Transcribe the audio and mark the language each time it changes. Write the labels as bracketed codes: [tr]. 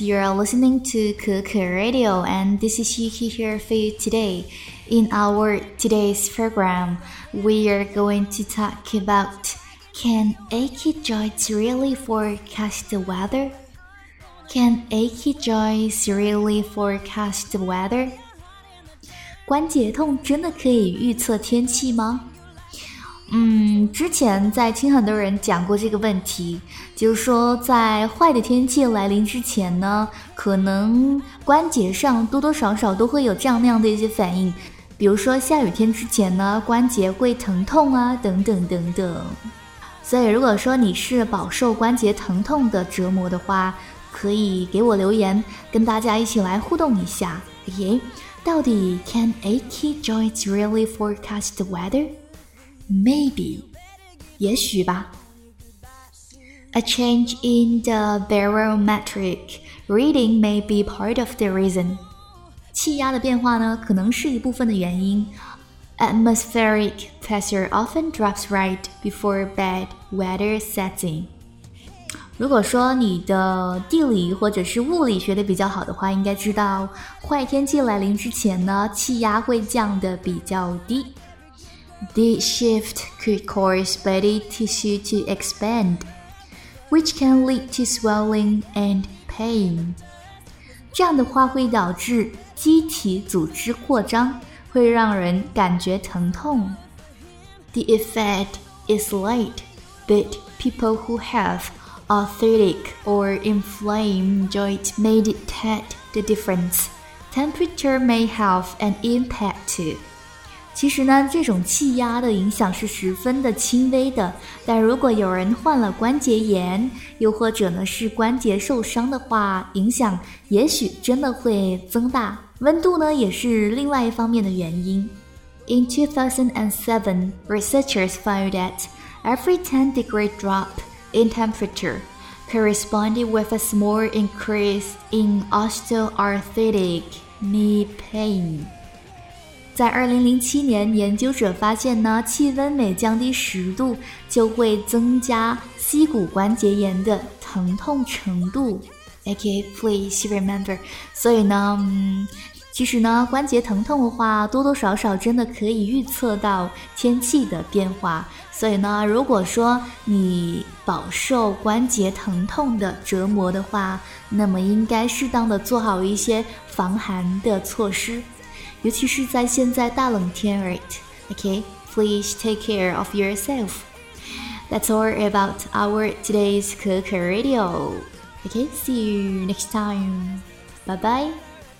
[en] You are listening to Kuku Radio, and this is Yuki here for you today. In our today's program, we are going to talk about Can achy joints really forecast the weather? Can achy joints really forecast the weather? [zh] 关节痛真的可以预测天气吗？之前在听很多人讲过这个问题，就是说在坏的天气来临之前呢，可能关节上多多少少都会有这样那样的一些反应，比如说下雨天之前呢，关节会疼痛啊，等等等等。所以如果说你是饱受关节疼痛的折磨的话，可以给我留言，跟大家一起来互动一下。耶，到底 [en] Can achy joints really forecast the weather? Maybe, [zh] 也许吧。 [en] A change in the barometric reading may be part of the reason. [zh] 气压的变化呢，可能是一部分的原因。 [en] Atmospheric pressure often drops right before bad weather sets in. [zh] 如果说你的地理或者是物理学的比较好的话，应该知道坏天气来临之前呢，气压会降得比较低。 [en] The shift could cause body tissue to expand, which can lead to swelling and pain. [zh] 这样的话会导致机体组织扩张，会让人感觉疼痛。 [en] The effect is light, but people who have arthritic or inflamed joints may detect the difference. Temperature may have an impact too. [zh] 其实呢，这种气压的影响是十分的轻微的，但如果有人患了关节炎，又或者呢是关节受伤的话，影响也许真的会增大。温度呢也是另外一方面的原因。 [en] In 2007, researchers found that every 10 degree drop in temperature corresponded with a small increase in osteoarthritic knee pain. [zh] 在2007年，研究者发现呢，气温每降低10度就会增加膝骨关节炎的疼痛程度。 [en] Okay, please remember. [zh] 所以呢，其实呢，关节疼痛的话，多多少少真的可以预测到天气的变化。所以呢，如果说你饱受关节疼痛的折磨的话，那么应该适当的做好一些防寒的措施。尤其是在现在大冷天 right? [en] Okay, please take care of yourself. That's all about our today's Kuku Radio. Okay, see you next time. Bye bye.